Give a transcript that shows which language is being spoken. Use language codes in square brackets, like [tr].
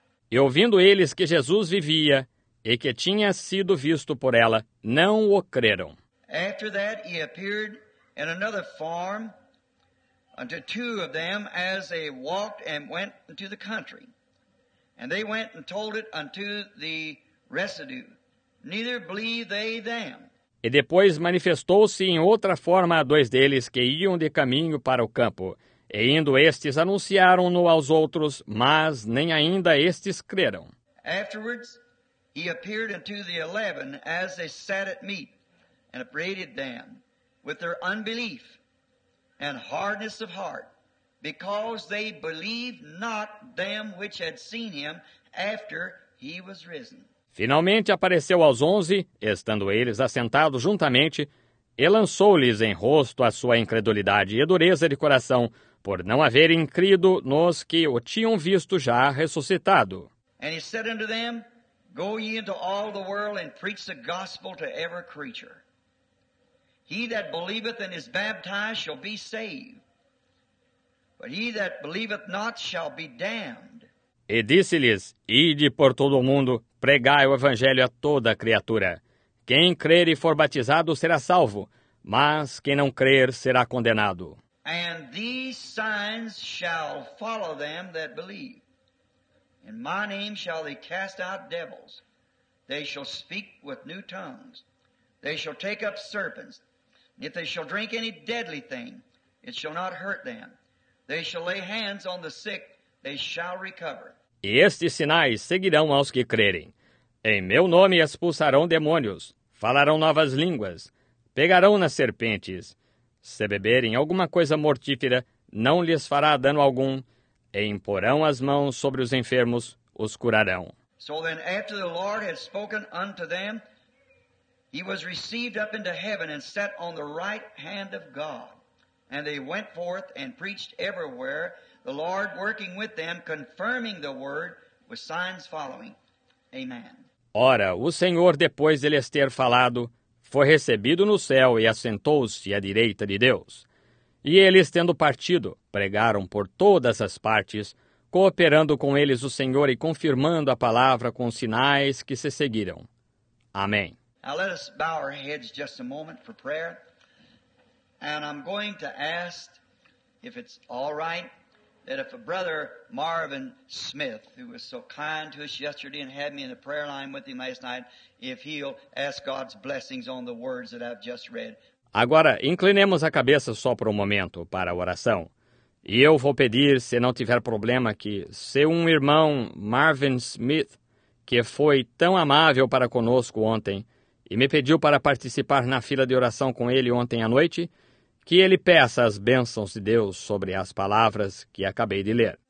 [pt] E ouvindo eles que Jesus vivia e que tinha sido visto por ela, não o creram. [en] After that, he appeared in another form unto two of them as they walked and went into the country. And they went and told it unto the residue. Neither believed they them. [pt] E depois manifestou-se em outra forma a dois deles que iam de caminho para o campo. E indo estes, anunciaram-no aos outros, mas nem ainda estes creram. [en] Afterwards, he appeared unto the 11 as they sat at meat, and upbraided them with their unbelief and hardness of heart, because they believed not them which had seen him after he was risen. [pt] Finalmente apareceu aos 11, estando eles assentados juntamente, e lançou-lhes em rosto a sua incredulidade e dureza de coração, por não haverem crido nos que o tinham visto já ressuscitado. [en] And he said unto them, go ye into all the world and preach the gospel to every creature. He that believeth and is baptized shall be saved, but he that believeth not shall be damned. [pt] E disse-lhes, ide por todo o mundo, pregai o evangelho a toda criatura. Quem crer e for batizado será salvo, mas quem não crer será condenado. [en] And these signs shall follow them that believe. In my name shall they cast out devils. They shall speak with new tongues. They shall take up serpents. If they shall drink any deadly thing, it shall not hurt them. They shall lay hands on the sick. They shall recover. [pt] E estes sinais seguirão aos que crerem. Em meu nome expulsarão demônios. Falarão novas línguas. Pegarão nas serpentes. Se beberem alguma coisa mortífera, não lhes fará dano algum. E imporão as mãos sobre os enfermos, os curarão. [en] So then after the Lord had spoken unto them, he was received up into heaven and sat on the right hand of God. And they went forth and preached everywhere, the Lord working with them, confirming the word with signs following. Amen. [pt] Ora, o Senhor, depois de lhes ter falado, foi recebido no céu e assentou-se à direita de Deus. E eles, tendo partido, pregaram por todas as partes, cooperando com eles o Senhor e confirmando a palavra com os sinais que se seguiram. Amém. [en] Now let us bow our heads just a moment for prayer. And I'm going to ask, if it's all right, that if a brother Marvin Smith, who was so kind to us yesterday and had me in the prayer line with him last night, if he'll ask God's blessings on the words that I've just read. [pt] Agora, inclinemos a cabeça só por um momento para a oração. E eu vou pedir, se não tiver problema, que se um irmão Marvin Smith, que foi tão amável para conosco ontem e me pediu para participar na fila de oração com ele ontem à noite, que ele peça as bênçãos de Deus sobre as palavras que acabei de ler.